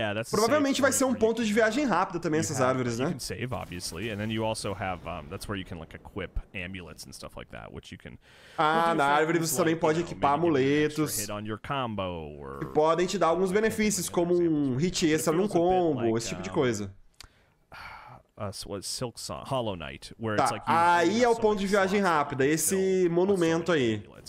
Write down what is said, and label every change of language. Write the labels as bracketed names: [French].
[Portuguese] Provavelmente vai ser um ponto de viagem rápida também, essas árvores, né? [English] You can save, obviously, and then you also have, that's where you can, like, equip amulets and stuff like that, which you can... [Portuguese] Ah, na árvore você também pode equipar amuletos, que podem te dar alguns benefícios, como um hit extra num combo, esse tipo de coisa. [English] Silk Song, Hollow Knight, where [Portuguese] tá. [English] It's like [Portuguese] aí é o ponto de viagem rápida, esse monumento aí.